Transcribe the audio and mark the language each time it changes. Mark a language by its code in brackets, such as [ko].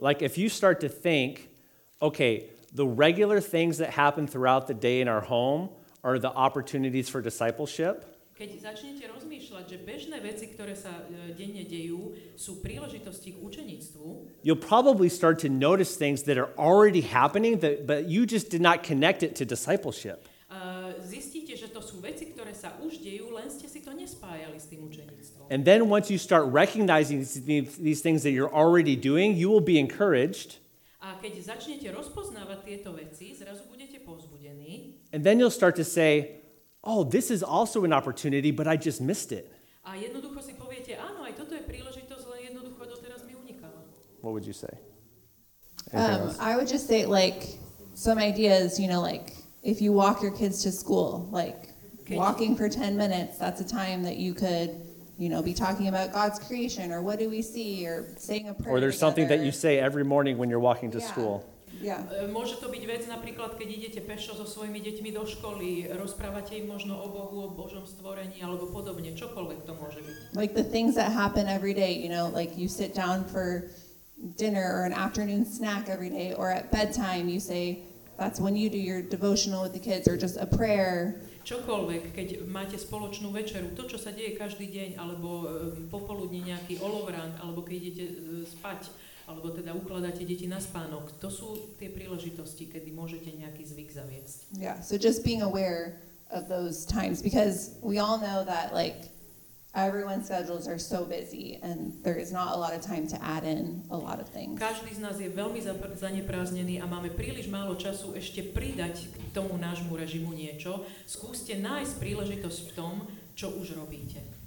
[en] Like if you start to think, okay, the regular things that happen throughout the day in our home are the opportunities for discipleship. [sk] Keď začnete rozmýšľať, že bežné veci, ktoré sa denne dejú, sú príležitosti k učeníctvu. [en] You'll probably start to notice things that are already happening but you just did not connect it to discipleship. [sk] Zistíte, že to sú veci, ktoré sa už dejú, len ste si to nespájali s tým učeníctvom. [en] And then once you start recognizing these things that you're already doing, you will be encouraged. [sk] A keď začnete rozpoznávať tieto veci, zrazu budete povzbudení. [en] And then you'll start to say, oh, this is also an opportunity, but I just missed it. [sk] A jednoducho si poviete, áno, aj toto je príležitosť, len jednoducho doteraz mi unikalo. [en] What would you say? I would just say, like, some ideas, you know, like, if you walk your kids to school, like walking for 10 minutes, that's a time that you could, you know, be talking about God's creation or what do we see or saying a prayer. Or there's together. Something that you say every morning when you're walking to school. Yeah. [sk] Môže to byť vec napríklad, keď idete pešo so svojimi deťmi do školy, rozprávate im možno o Bohu, o Božom stvorení alebo podobne, čokoľvek to môže byť. [en] Like the things that happen every day, you know, like you sit down for dinner or an afternoon snack every day or at bedtime you say that's when you do your devotional with the kids or just a prayer. [sk] Čokoľvek, keď máte spoločnú večeru, to, čo sa deje každý deň, alebo popoludní nejaký olovrant, alebo keď idete spať, alebo teda ukladáte deti na spánok, to sú tie príležitosti, kedy môžete nejaký zvyk zaviesť. [en] Yeah, so just being aware of those times, because we all know that, like, everyone's schedules are so busy and there is not a lot of time to add in a lot of things. [sk] Každý z nás je veľmi zanepráznený a máme príliš málo času ešte pridať k tomu nášmu režimu niečo. Skúste nájsť príležitosť v tom, čo už robíte.